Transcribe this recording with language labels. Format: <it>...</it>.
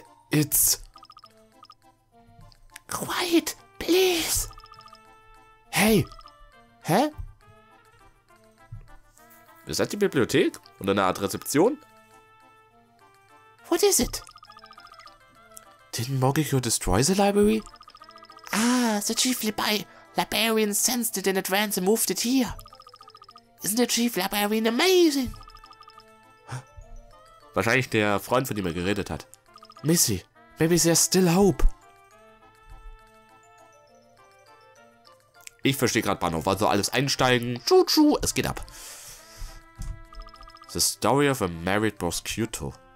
<en>It's... Quiet, please! Hey! Hä?</en> <de>Ist das die Bibliothek? Oder eine Art Rezeption?</de> <en>What is it? Didn't Morgico destroy the library? Ah, the chief librarian sensed it in advance and moved it here. Isn't the chief librarian amazing?</en> <de>Wahrscheinlich der Freund, von dem er geredet hat.</de> <en>Missy, maybe there's still hope.</en> <de>Ich verstehe gerade Bahnhof, also alles einsteigen. Chuchu, es geht ab.</de> <en>The story of a married prosecutor.</en>